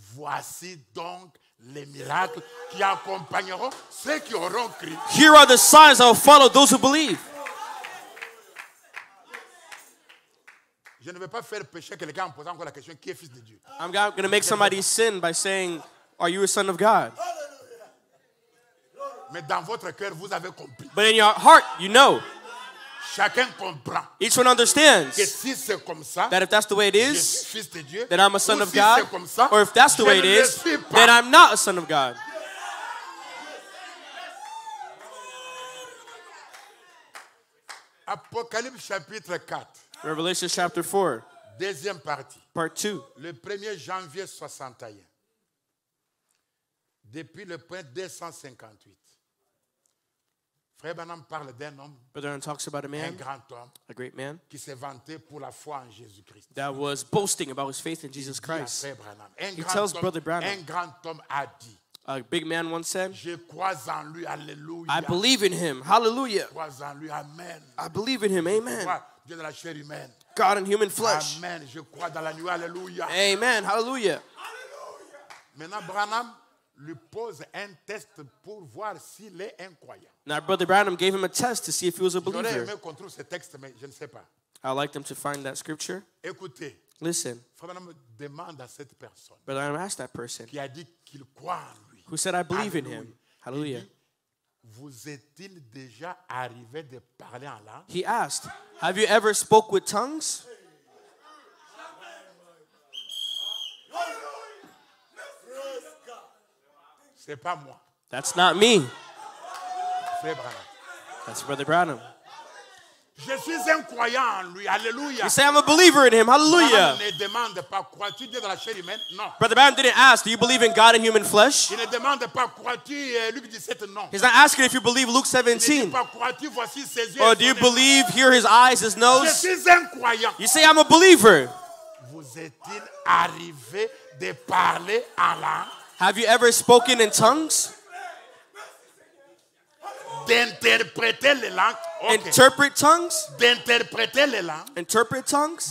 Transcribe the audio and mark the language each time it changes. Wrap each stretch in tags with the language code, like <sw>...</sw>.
<fr>Voici donc les miracles qui accompagneront ceux qui auront cru.</fr> <en>Here are the signs that will follow those who believe.</en> <fr>Je ne vais pas faire pécher quelqu'un en posant encore la question qui est fils de Dieu.</fr> <en>I'm not going to make somebody sin by saying, are you a son of God?</en> <fr>Mais dans votre cœur, vous avez compris.</fr> <en>But in your heart, you know.</en> <fr>Chacun comprend.</fr> <en>Each one understands</en> <fr>que si c'est comme ça,</fr> <en>that if that's the way it is,</en> <fr>fils de Dieu,</fr> <en>then I'm a son of</en> <fr>si</fr> <en>God.</en> <fr>C'est comme ça,</fr> <en>or if that's the way it is, then I'm not a son of God.</en> <fr>Apocalypse chapitre 4.</fr> <en>Revelation chapter 4.</en> <fr>Deuxième partie.</fr> <en>Part 2.</en> <fr>Le 1er janvier 61. Depuis le point 258. Frère Branham parle d'un homme.</fr> <en>Brother Branham talks about a man.</en> <fr>Un grand homme.</fr> <en>A great man.</en> <fr>Qui s'est vanté pour la foi en Jésus-Christ.</fr> <en>That was boasting about his faith in Jesus Christ.</en> <fr>Frère Branham.</fr> <en>He tells Brother Branham.</en> <fr>Un grand homme a dit.</fr> <en>A big man once said,</en> <fr>je crois en lui. Alléluia.</fr> <en>I believe in him. Hallelujah.</en> <fr>Je crois en lui. Amen.</fr> <en>I believe in him. Amen.</en> <fr>Dieu de la chair humaine.</fr> <en>God in human flesh.</en> <fr>Amen. Je crois dans la nuit. Alléluia.</fr> <en>Amen. Hallelujah.</en> <fr>Maintenant, Branham, lui pose un test pour voir s'il est un croyant.</fr> <en>Now, Brother Branham gave him a test to see if he was a believer.</en> <fr>J'aurais aimé qu'on trouve ce texte, mais je ne sais pas.</fr> <en>I'd like them to find that scripture.</en> <fr>Écoutez.</fr> <en>Listen.</en> <fr>Frère Branham demande à cette personne.</fr> <en>Brother Branham asked that person.</en> <fr>Qui a dit qu'il croit en lui.</fr> <en>Who said, I believe in him. Hallelujah.</en> <fr>Vous est-il déjà arrivé de parler en langue?</fr> <en>He asked, have you ever spoke with tongues?</en> <fr>C'est pas moi.</fr> <en>That's not me.</en> <fr>C'est Branham.</fr> <en>That's Brother Branham.</en> <fr>Je suis un croyant en lui. Hallelujah.</fr> <en>You say I'm a believer in him. Hallelujah.</en> <fr>Ne demande pas, crois-tu Dieu dans la chair humaine? Non.</fr> <en>Brother Branham didn't ask, do you believe in God in human flesh?</en> <fr>Il ne demande pas, crois-tu Luc 17? Non.</fr> <en>He's not asking if you believe Luke 17.</en> <fr>Il ne dit pas, crois-tu voici ses yeux?</fr> <en>Or do you believe, hear his eyes, his nose?</en> <fr>Je suis un croyant.</fr> <en>You say I'm a believer.</en> <fr>Vous est-il arrivé de parler en langue?</fr> <en>Have you ever spoken in tongues?</en> <fr>D'interpréter les langues. Okay.</fr> <en>Interpret tongues?</en> <fr>D'interpréter les langues.</fr> <en>Interpret tongues?</en>